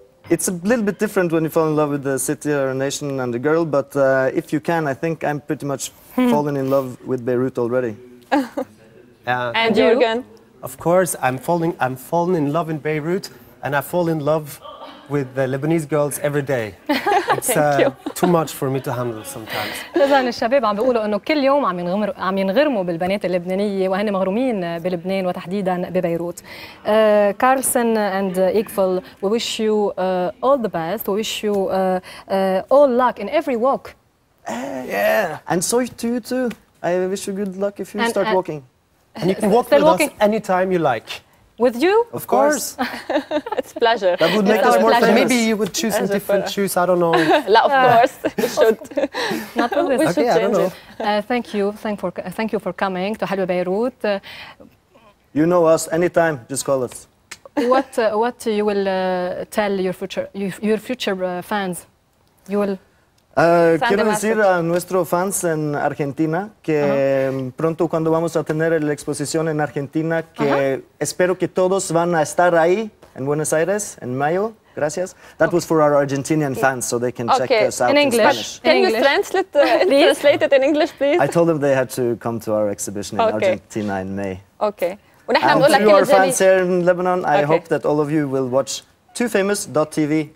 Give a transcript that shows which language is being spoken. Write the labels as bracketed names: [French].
[English] It's a little bit different when you fall in love with a city or a nation and a girl, but if you can, I think I'm pretty much fallen in love with Beirut already. And Jürgen? Of course, I'm falling in love in Beirut, and I fall in love with the Lebanese girls every day. It's too much for me to handle sometimes. [Arabic] إذن الشباب عم بيقولوا إنه كل يوم عم ينغرموا بالبنات اللبنانية وهن مغرومين بلبنان وتحديدا ببيروت. [English] Carlson and Iqbal, we wish you all the best. We wish you all luck in every walk. Yeah, and so to you too. I wish you good luck if you start walking. And you can walk with us anytime you like. With you? Of course. It's a pleasure. That would make us more famous. Maybe you would choose some different shoes, I don't know. La, of course. We should. Not really. We should change it. Thank you for coming to Helwi Beirut. You know us. Anytime, just call us. What you will tell your future fans? You will... [Spanish] Quiero decir a nuestros fans en Argentina que pronto cuando vamos a tener la exposición en Argentina que espero que todos van a estar ahí en Buenos Aires en mayo. Gracias. [English] That was for our Argentinian fans so they can check us out in English. Spanish. Can you translate it in English, please? I told them they had to come to our exhibition in Argentina in May. Okay. And to our fans here in Lebanon, I hope that all of you will watch TooFamous.tv.